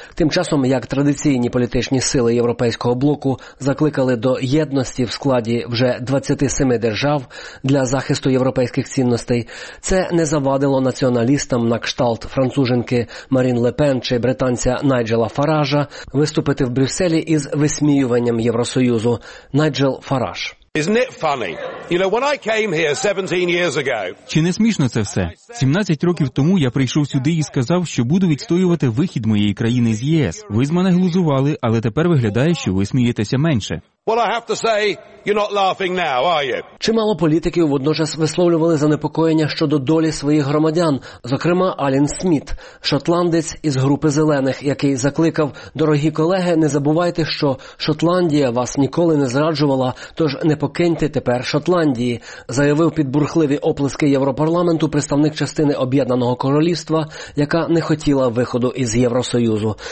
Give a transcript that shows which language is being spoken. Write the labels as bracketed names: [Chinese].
[Ukrainian] Тим часом, як традиційні політичні сили Європейського блоку закликали до єдності в складі вже 27 держав для захисту європейських цінностей, це не завадило націоналістам на кшталт француженки Марін Ле Пен чи британця Найджела Фаража виступити в Брюсселі із висміюванням Євросоюзу. Найджел Фараж. [English] Isn't it funny? You know, when I came here 17 years ago. [Ukrainian] Чи не смішно це все? 17 років тому я прийшов сюди і сказав, що буду відстоювати вихід моєї країни з ЄС. Ви з мене глузували, але тепер виглядає, що ви смієтеся менше. [English] Well, I have to say, you're not laughing now, are you? [Ukrainian] Чимало політиків водночас висловлювали занепокоєння щодо долі своїх громадян, зокрема Алін Сміт, шотландець із групи зелених, який закликав: "Дорогі колеги, не забувайте, що Шотландія вас ніколи не зраджувала, тож не покиньте тепер Шотландії", заявив під бурхливі оплески Європарламенту представник частини Об'єднаного Королівства, яка не хотіла виходу із Євросоюзу.